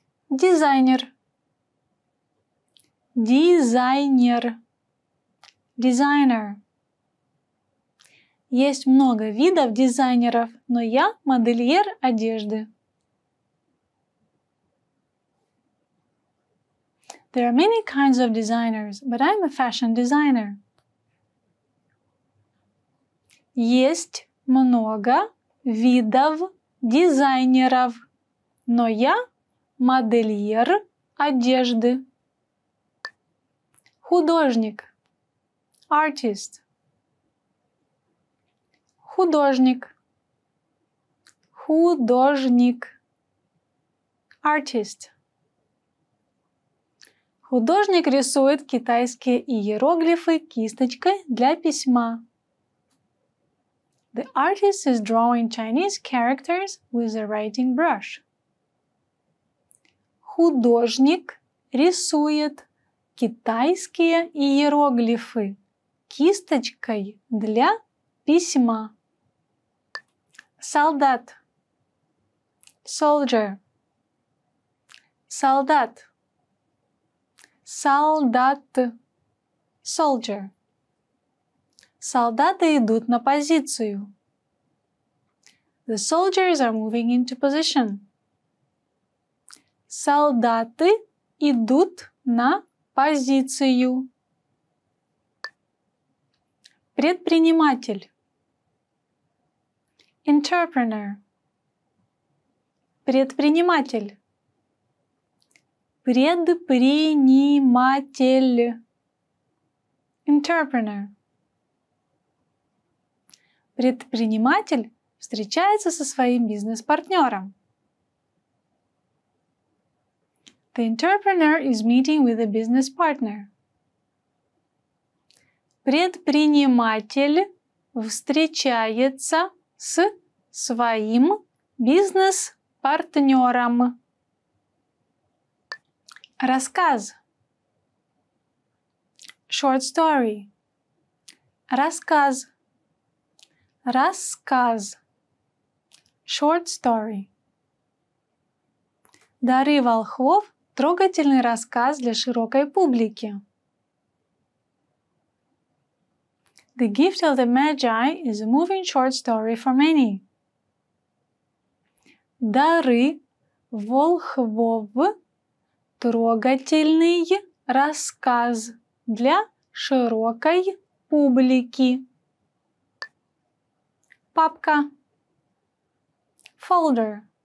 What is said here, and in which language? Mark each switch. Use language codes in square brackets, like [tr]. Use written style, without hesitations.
[ru] Дизайнер. Дизайнер. Дизайнер. Есть много видов дизайнеров, но я модельер одежды. [en] There are many kinds of designers, but I'm a fashion designer. [ru] Есть много видов дизайнеров, но я модельер одежды. Художник. [en] Artist. [ru] Художник. Художник. [en] Artist. [ru] Художник рисует китайские иероглифы кисточкой для письма. [en] The artist is drawing Chinese characters with a writing brush. [ru] Художник рисует китайские иероглифы кисточкой для письма. Солдат. [en] Soldier. [ru] Солдат. Солдат. [en] Soldier. [ru] Солдаты идут на позицию. [en] The soldiers are moving into position. [ru] Солдаты идут на позицию. Предприниматель. [en] Entrepreneur. [ru] Предприниматель. Предприниматель. [en] Entrepreneur. [ru] Предприниматель встречается со своим бизнес-партнером. [en] The entrepreneur is meeting with a business partner. [ru] Предприниматель встречается с своим бизнес-партнером. Рассказ. [en] Short story. [ru] Рассказ. Рассказ. [en] Short story. [ru] Дары волхвов – трогательный рассказ для широкой публики. [en] The gift of the Magi is a moving short story for many. [ru] Дары волхвов – трогательный рассказ для широкой публики. Папка. [en] Folder.